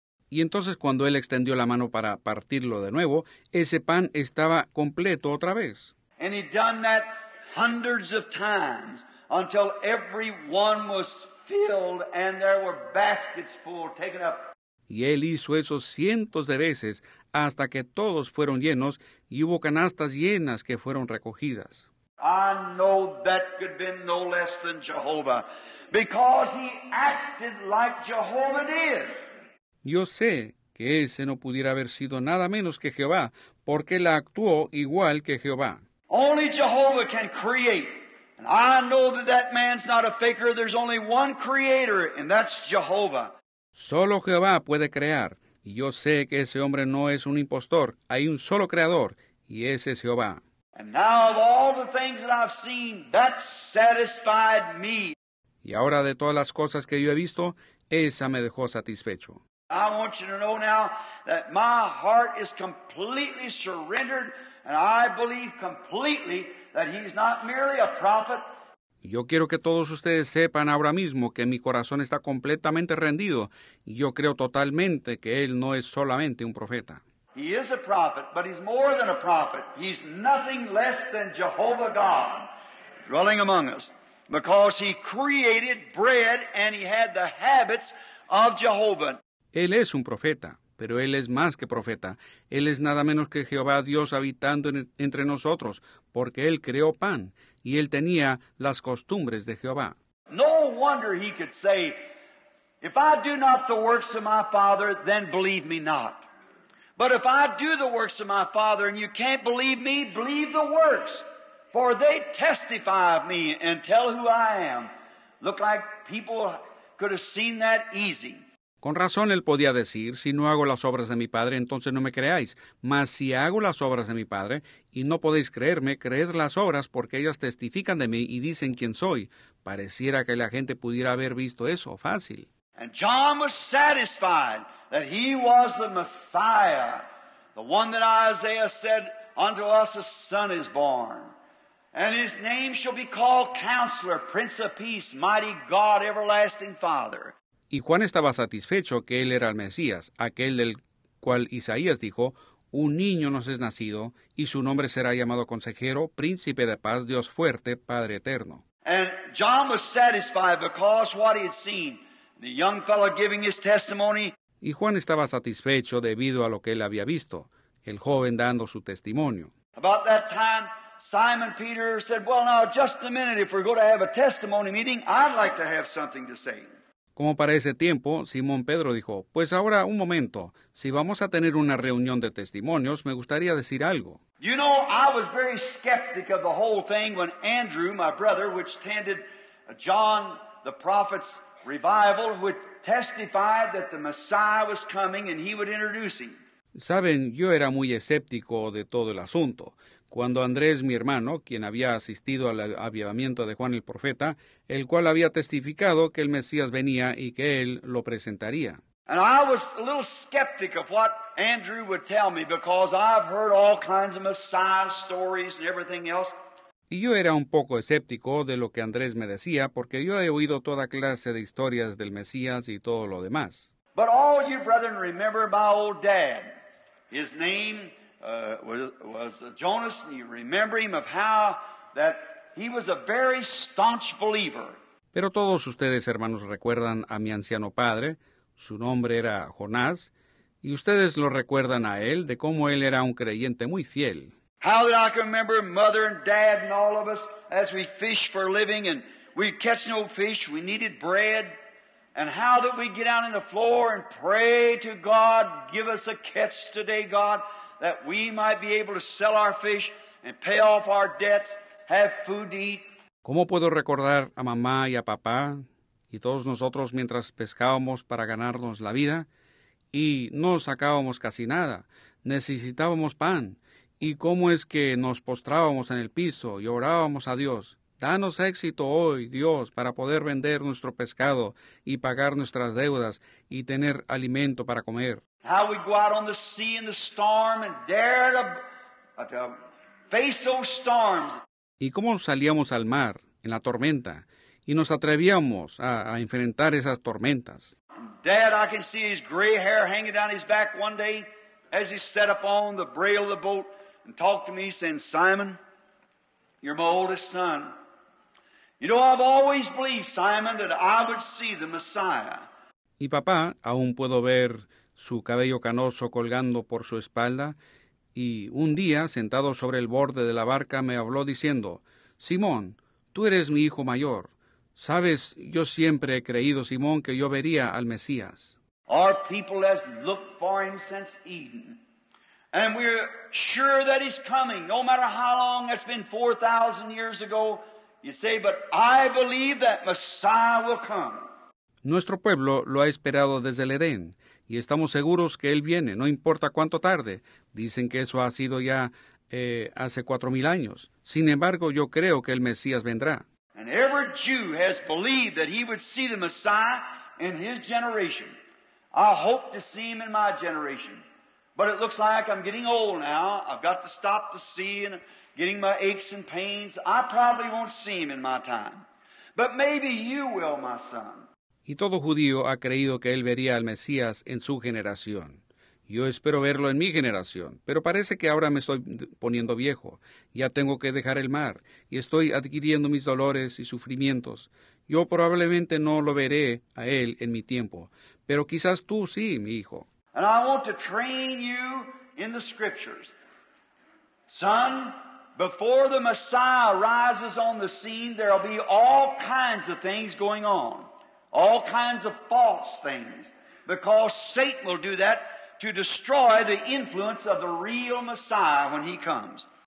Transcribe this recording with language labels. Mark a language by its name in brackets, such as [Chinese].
[Spanish] Y entonces cuando él extendió la mano para partirlo de nuevo, ese pan estaba completo otra vez. [English] And he'd done that hundreds of times until everyone was filled and there were baskets full taken up. [Spanish] Y él hizo eso cientos de veces hasta que todos fueron llenos y hubo canastas llenas que fueron recogidas. [English] I know that could be no less than Jehovah, because he acted like Jehovah did. [Spanish] Yo sé que ese no pudiera haber sido nada menos que Jehová, porque él actuó igual que Jehová. [English] Only Jehovah can create. And I know that that man's not a faker. There's only one creator, and that's Jehovah. [Spanish] Solo Jehová puede crear. Y yo sé que ese hombre no es un impostor. Hay un solo creador, y ese es Jehová. [English] And now of all the things that I've seen, that satisfied me. [Spanish] Y ahora de todas las cosas que yo he visto, esa me dejó satisfecho. [English] I want you to know now that my heart is completely surrendered, and I believe completely that he's not merely a prophet. [Spanish] Yo quiero que todos ustedes sepan ahora mismo que mi corazón está completamente rendido. Yo creo totalmente que él no es solamente un profeta. [English] He is a prophet, but he's more than a prophet. He's nothing less than Jehovah God dwelling among us, because he created bread and he had the habits of Jehovah. [Spanish] Él es un profeta, pero él es más que profeta. Él es nada menos que Jehová Dios habitando entre nosotros, porque él creó pan y él tenía las costumbres de Jehová. [English] No wonder he could say, if I do not the works of my Father, then believe me not. But if I do the works of my Father and you can't believe me, believe the works, for they testify of me and tell who I am. Look like people could have seen that easy. [Spanish] Con razón él podía decir, si no hago las obras de mi Padre, entonces no me creáis. Mas si hago las obras de mi Padre, y no podéis creerme, creed las obras porque ellas testifican de mí y dicen quién soy. Pareciera que la gente pudiera haber visto eso fácil. [English] And John was satisfied that he was the Messiah, the one that Isaiah said, unto us a son is born. And his name shall be called Counselor, Prince of Peace, Mighty God, Everlasting Father. [Spanish] Y Juan estaba satisfecho que él era el Mesías, aquel del cual Isaías dijo, un niño nos es nacido, y su nombre será llamado Consejero, Príncipe de Paz, Dios Fuerte, Padre Eterno. [English] And John was satisfied because what he had seen, the young fellow giving his testimony. [Spanish] Y Juan estaba satisfecho debido a lo que él había visto, el joven dando su testimonio. [English] About that time, Simon Peter said, well, now, just a minute, if we're going to have a testimony meeting, I'd like to have something to say. [Spanish] Como para ese tiempo, Simón Pedro dijo, pues ahora un momento, si vamos a tener una reunión de testimonios, me gustaría decir algo. [English] You know, I was very skeptic of the whole thing when Andrew, my brother, which attended John the Prophet's revival, would testify that the Messiah was coming and he would introduce him. [Spanish] Saben, yo era muy escéptico de todo el asunto. Cuando Andrés, mi hermano, quien había asistido al avivamiento de Juan el Profeta, el cual había testificado que el Mesías venía y que él lo presentaría. [English] And I was a little skeptic of what Andrew would tell me because I've heard all kinds of Messiah stories and everything else. [Spanish] Y yo era un poco escéptico de lo que Andrés me decía porque yo he oído toda clase de historias del Mesías y todo lo demás. [English] But all you brethren remember my old dad. His name was Jonas, and you remember him of how that he was a very staunch believer. [Spanish] Pero todos ustedes, hermanos, recuerdan a mi anciano padre. Su nombre era Jonás, y ustedes lo recuerdan a él de cómo él era un creyente muy fiel. [English] How that I can remember mother and dad and all of us as we fish for a living, and we'd catch no fish, we needed bread, and how that we'd get out on the floor and pray to God, give us a catch today, God, that we might be able to sell our fish and pay off our debts, have food to eat. [Spanish] ¿Cómo puedo recordar a mamá y a papá y todos nosotros mientras pescábamos para ganarnos la vida y no sacábamos casi nada? Necesitábamos pan. ¿Y cómo es que nos postrábamos en el piso y orábamos a Dios? Danos éxito hoy, Dios, para poder vender nuestro pescado y pagar nuestras deudas y tener alimento para comer. [English] How we go out on the sea in the storm and dare to face those storms. [Spanish] ¿Y cómo salíamos al mar en la tormenta y nos atrevíamos a enfrentar esas tormentas? [English] Dad, I can see his gray hair hanging down his back one day as he sat up on the rail of the boat and talked to me, saying, Simon, you're my oldest son. You know, I've always believed, Simon, that I would see the Messiah. [Spanish] Y papá, aún puedo ver su cabello canoso colgando por su espalda, y un día, sentado sobre el borde de la barca, me habló diciendo, Simón, tú eres mi hijo mayor. Sabes, yo siempre he creído, Simón, que yo vería al Mesías. [English] Our people have looked for him since Eden. And we're sure that he's coming, no matter how long. It's been 4,000 years ago. You say, but I believe that Messiah will come. [Spanish] Nuestro pueblo lo ha esperado desde el Edén, y estamos seguros que él viene, no importa cuánto tarde. Dicen que eso ha sido ya hace 4,000 años. Sin embargo, yo creo que el Mesías vendrá. [English] And every Jew has believed that he would see the Messiah in his generation. I hope to see him in my generation. But it looks like I'm getting old now. I've got to stop to see and getting my aches and pains. I probably won't see him in my time. But maybe you will, my son. [Spanish] Y todo judío ha creído que él vería al Mesías en su generación. Yo espero verlo en mi generación, pero parece que ahora me estoy poniendo viejo. Ya tengo que dejar el mar, y estoy adquiriendo mis dolores y sufrimientos. Yo probablemente no lo veré a él en mi tiempo, pero quizás tú sí, mi hijo. [English] And I want to train you in the scriptures. Son, before the Messiah rises on the scene, there will be all kinds of things going on. All kinds of false things, because Satan will do that to destroy the influence of the real Messiah when he comes.